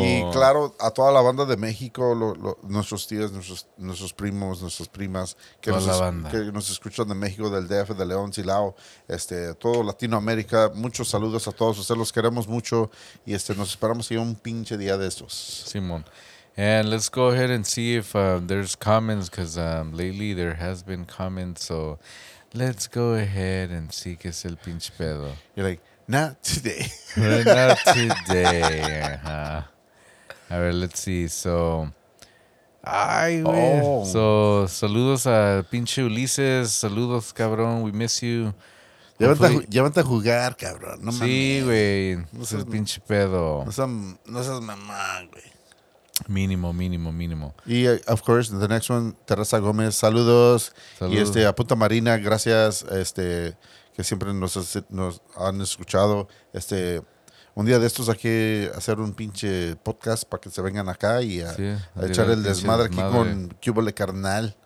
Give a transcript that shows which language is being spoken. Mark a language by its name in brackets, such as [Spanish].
[Spanish] Y claro, a toda la banda de México, nuestros tíos, nuestros primos, nuestras primas, que nos escuchan de México, del DF, de León, Silao, todo Latinoamérica. Muchos saludos a todos. Ustedes los queremos mucho y nos esperamos ahí un pinche día de estos. Simón. [English] And let's go ahead and see if there's comments, because lately there has been comments. So let's go ahead and see [Spanish] qué es el pinche pedo. [English] You're like, not today. Not today. Uh-huh. All right, let's see. [Spanish] So, saludos a pinche Ulises. Saludos, cabrón. [English] We miss you. [Spanish] Llévate a jugar, cabrón. No mames. Sí, güey. No seas pinche pedo. No seas mamá, güey. Mínimo, mínimo, mínimo. [English] Y, of course, the next one, Teresa Gómez. [Spanish] Saludos. Salud. Y a Punta Marina, gracias, que siempre nos han escuchado. Un día de estos hay que hacer un pinche podcast para que se vengan acá y a echar el desmadre aquí con Cúbole Carnal.